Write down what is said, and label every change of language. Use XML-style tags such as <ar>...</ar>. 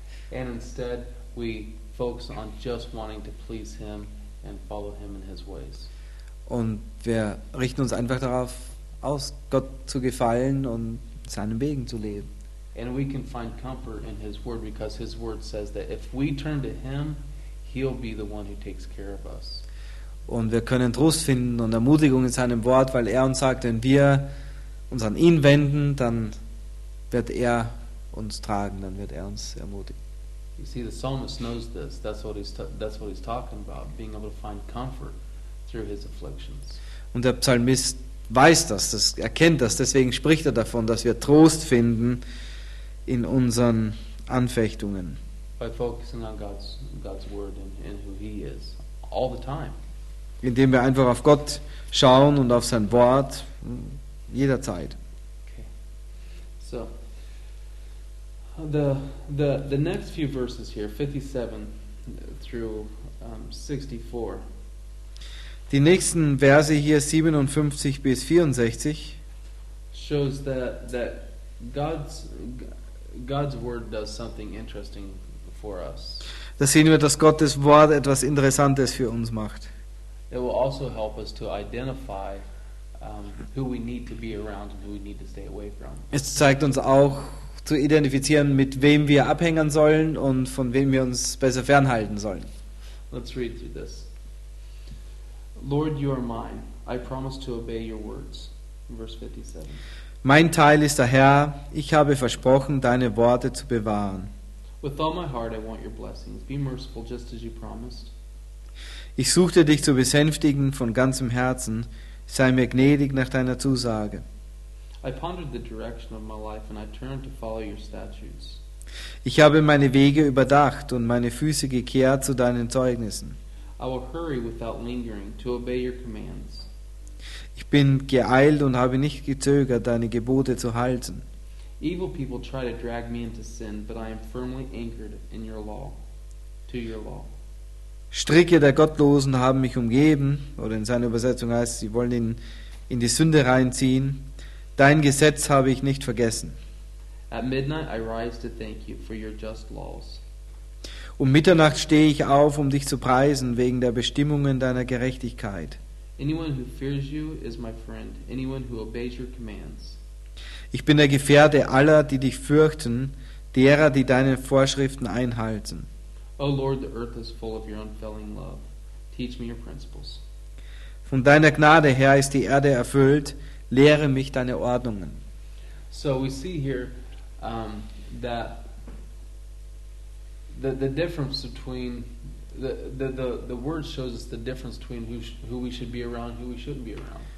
<en>And instead we focus on just wanting to please him and follow him in his ways.</en> <de>Und wir richten uns einfach darauf aus, Gott zu gefallen und seinen Wegen zu leben.</de> <en>And we can find comfort in his word, because his word says that if we turn to him, he'll be the one who takes care of us.</en> <de>Und wir können Trost finden und Ermutigung in seinem Wort, weil er uns sagt, wenn wir uns an ihn wenden, dann wird er uns tragen, dann wird er uns ermutigen.</de> <en>You see, the psalmist knows this. That's what he's talking about, being able to find comfort through his afflictions.</en> <de>Und der Psalmist weiß das, das erkennt das, deswegen spricht er davon, dass wir Trost finden in unseren Anfechtungen.</de> <en>By focusing on God's word and who he is all the time.</en> <de>Indem wir einfach auf Gott schauen und auf sein Wort jederzeit.</de> <en>Okay. So the next few verses here, 57 through 64.</en> <de>Die nächsten Verse hier 57 bis 64</de> <en>shows that God's word does something interesting for us.</en> <de>Da sehen wir, dass Gottes Wort etwas Interessantes für uns macht.</de> <en>It will also help us to identify who we need to be around and who we need to stay away from.</en> <de>Es zeigt uns auch zu identifizieren, mit wem wir abhängen sollen und von wem wir uns besser fernhalten sollen.</de> <en>Let's read through this. Lord, you are mine. I promise to obey your words. Verse 57.</en> <de>Mein Teil ist der Herr. Ich habe versprochen, deine Worte zu bewahren.</de> <en>With all my heart, I want your blessings. Be merciful, just as you promised.</en> <de>Ich suchte dich zu besänftigen von ganzem Herzen. Sei mir gnädig nach deiner Zusage.</de> <en>I pondered the direction of my life and I turned to follow your statutes.</en> <de>Ich habe meine Wege überdacht und meine Füße gekehrt zu deinen Zeugnissen.</de> <en>I will hurry without lingering to obey your commands.</en> <de>Ich bin geeilt und habe nicht gezögert, deine Gebote zu halten.</de> <en>Evil people try to drag me into sin, but I am firmly anchored in your law, to your law.</en> <de>Stricke der Gottlosen haben mich umgeben, oder in seiner Übersetzung heißt es, sie wollen ihn in die Sünde reinziehen. Dein Gesetz habe ich nicht vergessen.</de> <en>At midnight I rise to thank you for your just laws.</en> <de>Um Mitternacht stehe ich auf, um dich zu preisen wegen der Bestimmungen deiner Gerechtigkeit.</de> <en>Anyone who fears you is my friend. Anyone who obeys your commands.</en> <de>Ich bin der Gefährte aller, die dich fürchten, derer, die deine Vorschriften einhalten.</de> <en>O Lord, the earth is full of your unfailing love. Teach me your principles.</en> <de>Von deiner Gnade her ist die Erde erfüllt. Lehre mich deine Ordnungen.</de> <en>So we see here that the difference between the word shows us the difference between who we should be around, who we shouldn't be around.</en>